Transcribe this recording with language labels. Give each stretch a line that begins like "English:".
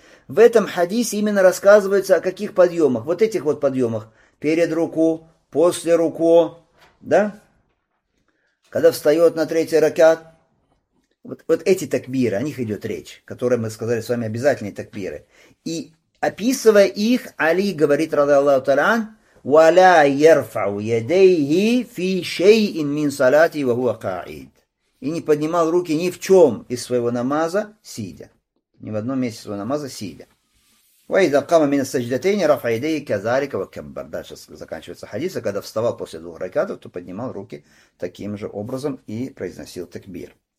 Russian: В этом хадисе именно рассказывается о каких подъемах? Вот этих вот подъемах. Перед руку, после руку, да? Когда встает на третий ракат. Вот эти такбиры, о них идет речь, которые мы сказали с вами обязательные такбиры. И описывая их, Али говорит,
Arabic: رضي الله تعالى عنه, وَلَا يَرْفَعُ يَدَيْهِ فِي شَيْءٍ مِنْ صَلَاتِهِ وَهُوَ قَاعِدٌ.
Russian: И не поднимал руки ни в чем из своего намаза, сидя. Ни в одном месте своего намаза, сидя.
Arabic: وَإِذَا قَامَ مِنَ السَّجْدَتَيْنِ رَفَعَ يَدَيْهِ كَذَلِكَ وَكَبَّرَ.
Russian: Дальше заканчивается хадис, когда вставал после двух ракатов, то поднимал руки таким же образом и произносил такбир.